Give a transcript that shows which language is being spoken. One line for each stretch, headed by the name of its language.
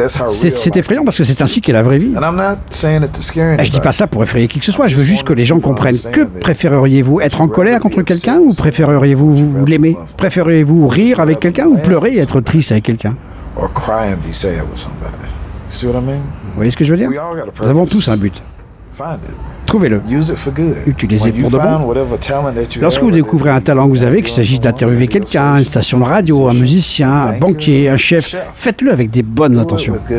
French: C'est effrayant parce que c'est ainsi qu'est la vraie vie. Et je dis pas ça pour effrayer qui que ce soit. Je veux juste que les gens comprennent. Que préféreriez-vous, être en colère contre quelqu'un ou préféreriez-vous l'aimer? Préféreriez-vous rire avec quelqu'un ou pleurer et être triste avec quelqu'un?
English: Or cry and be sad with somebody. See what I mean?
French: Vous voyez ce que je veux dire? Nous avons tous un but. Trouvez-le. Utilisez-le pour de bon. Lorsque vous découvrez un talent que vous avez, qu'il s'agisse d'interviewer quelqu'un, une station de radio, un musicien, un banquier, un chef, faites-le avec des bonnes intentions.